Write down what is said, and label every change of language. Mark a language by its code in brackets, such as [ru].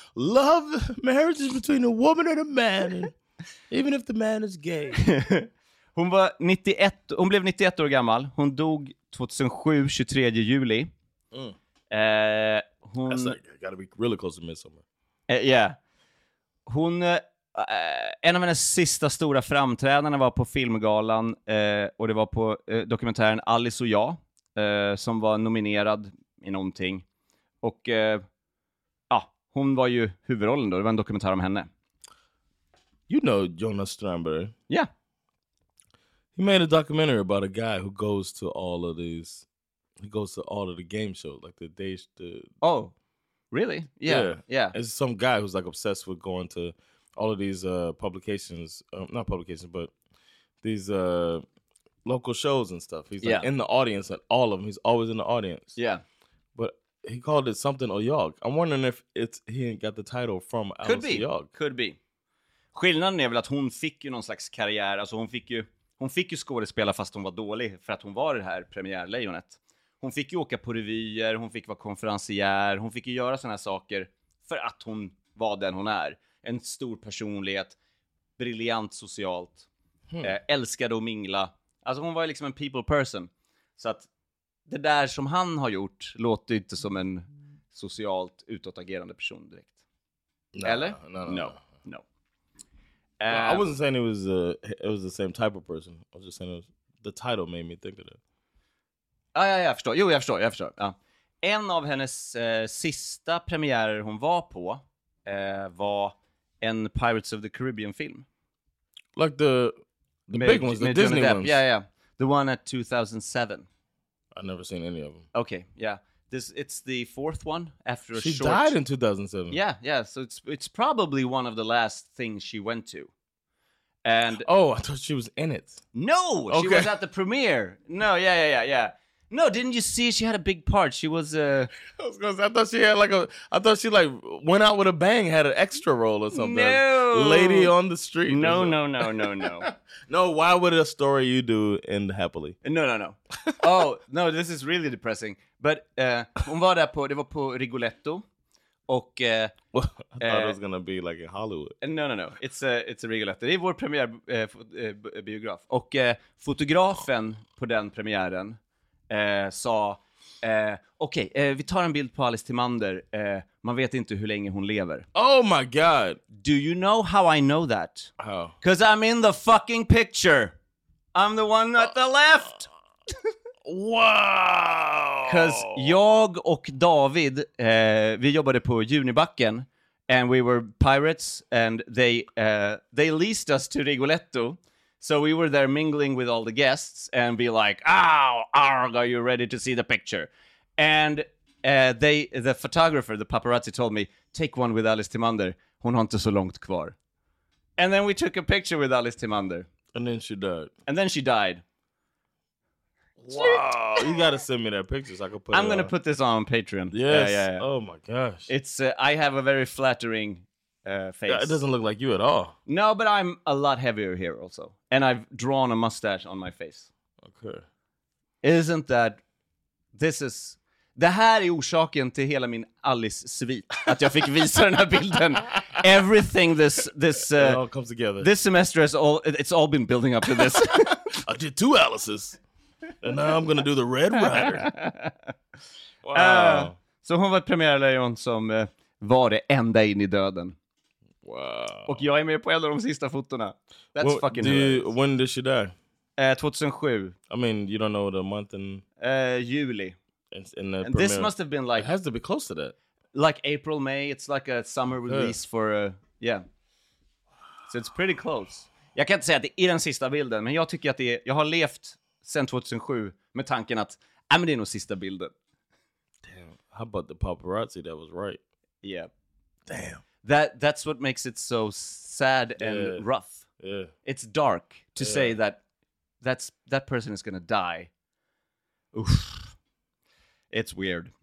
[en] Love, marriage is between a woman and a man. Even if the man is gay. [sv] Hon blev 91 år gammal. Hon dog 2007, 23 juli. [en] That's like, gotta be really close to midsummer. Yeah. [sv] Hon En av mina sista stora framträdanden var på filmgalan, och det var på dokumentären Alice och jag, som var nominerad i någonting. Och ja, hon var ju huvudrollen då. Det var en dokumentär om henne. [en] You know Jonas Strandberg. Yeah. He made a documentary about a guy who goes to all of these. He goes to all of the game shows, like the days. Oh, really? Yeah. Yeah. It's some guy who's like obsessed with going to all of these publications, not publications, but these local shows and stuff. He's like in the audience at all of them. He's always in the audience. Yeah. But he called it something Oyog. I'm wondering if he got the title from Alice Oyog. Could be. Could be. [sv] Skillnaden är väl att hon fick ju någon slags karriär. Alltså hon fick ju skådespela fast hon var dålig för att hon var det här premiärlejonet. Hon fick ju åka på revyer, hon fick vara konferensier, hon fick ju göra såna här saker för att hon var den hon är. En stor personlighet, briljant socialt, älskade att mingla. Alltså hon var ju liksom en people person. Så att det där som han har gjort låter inte som en socialt utåtagerande person direkt. [en] Nah, [sv] eller? [en] No. I wasn't saying it was the same type of person. I was just saying it was, the title made me think of it. [sv] Jag förstår. Ja. En av hennes sista premiärer hon var på var en Pirates of the Caribbean film. [en] Like the big ones, the Disney ones. Yeah. The one at 2007. I've never seen any of them. Okay, yeah. It's the fourth one after she a short... She died in 2007. Yeah. So it's probably one of the last things she went to. And oh, I thought she was in it. No, okay. She was at the premiere. No, yeah. No, didn't you see she had a big part? She was I was gonna say, I thought she had like a... I thought she like went out with a bang, had an extra role or something. No. Lady on the street. No. No, why would a story you do end happily? No. Oh, no, this is really depressing. But [sv] hon var där på... Det var på Rigoletto. Och... [en] I thought it was gonna be like in Hollywood. No. It's a Rigoletto. [sv] Det är vår premiärbiograf. Och fotografen på den premiären... sa okej, vi tar en bild på Alice Timander. Man vet inte hur länge hon lever. [en] Oh my god. Do you know how I know that? Oh. 'Cause I'm in the fucking picture. I'm the one at the left. Wow. 'Cause [sv] jag och David, vi jobbade på Junibacken, [en] and we were pirates, and they leased us to Rigoletto. So we were there mingling with all the guests and be like, "Oh, arg, are you ready to see the picture?" And the photographer, the paparazzi, told me, "Take one with Alice Timander. [sv] Hon har inte så långt kvar." [en] And then we took a picture with Alice Timander. And then she died. Wow. You gotta send me that picture so I can put I'm gonna put this on Patreon. Yes. Yeah. Oh my gosh. It's I have a very flattering face. It doesn't look like you at all. No, but I'm a lot heavier here also. And I've drawn a mustache on my face. Okay. Isn't that... [sv] Det här är orsaken till hela min Alice-svit. Att jag fick visa den här bilden. [en] Everything this it all comes together. This semester has all... It's all been building up to this. I did two Alices. And now I'm gonna do the Red Rider. Wow. [sv] Så hon var premiärlejon som var det ända in i döden. [en] Wow. [sv] Och jag är med på en av de sista fotorna. [en] That's well, fucking do you, when did she die? 2007. I mean, you don't know the month in... [sv] Juli. [en] And premiere. This must have been like... It has to be close to that. Like April, May. It's like a summer release for... yeah. So it's pretty close. [sv] Jag kan inte säga att det är den sista bilden, men jag tycker att det är... Jag har levt sedan 2007 med tanken att... Ja, men det är nog sista bilden. [en] Damn. How about the paparazzi that was right? Yeah. Damn. That's what makes it so sad and rough. Yeah. It's dark to say that person is gonna die. Oof. It's weird.